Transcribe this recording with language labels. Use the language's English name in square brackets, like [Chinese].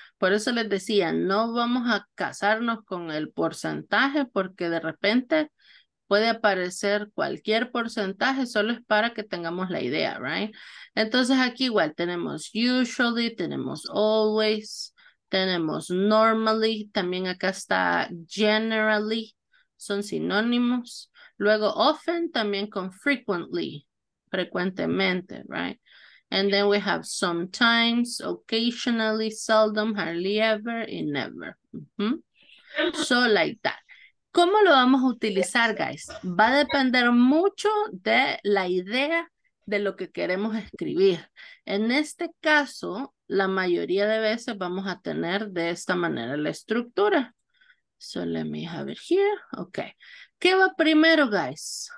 [Spanish] Por eso les decía, no vamos a casarnos con el porcentaje porque de repente puede aparecer cualquier porcentaje, solo es para que tengamos la idea, right? Entonces aquí igual tenemos usually, tenemos always, tenemos normally, también acá está generally, son sinónimos. Luego often, también con frequently, frecuentemente, right? [English] And then we have sometimes, occasionally, seldom, hardly ever, y never. [Spanish] Mm-hmm. [English] So like that. [Spanish] ¿Cómo lo vamos a utilizar, guys? Va a depender mucho de la idea de lo que queremos escribir. En este caso, la mayoría de veces vamos a tener de esta manera la estructura. [English] So let me have it here. Okay. [Spanish] ¿Qué va primero, guys?